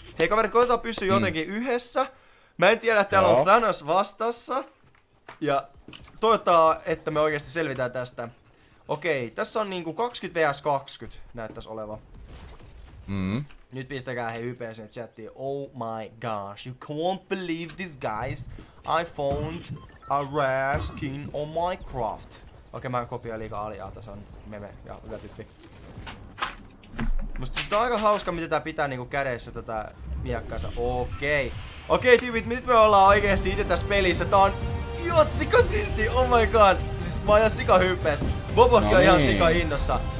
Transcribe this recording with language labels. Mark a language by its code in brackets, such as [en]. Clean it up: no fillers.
[fi] Hei kaverit, koitetaan pysyä jotenkin yhdessä. Mä en tiedä, että täällä on Thanos vastassa. Ja toivotaan, että me oikeesti selvitään tästä. Okei, tässä on niinku 20-20 näyttäis oleva. Nyt pistäkää hei ypeä sinne chattiin. [en] Oh my gosh, you can't believe this guys. I found a rare skin on Minecraft. [fi] Okei, mä kopioin liikaa aliaa, tässä on meme ja hyvä tyyppi. Musta sit on aika hauska, miten tää pitää niinku kädessä tätä miekkaansa. Okei. Okei, tyypit, nyt me ollaan oikeesti itse tässä pelissä. Tää on ihan sika siisti, [en] oh my god. [fi] Siis mä oon ihan sika hyppees. Bobokki on ihan sika innossa.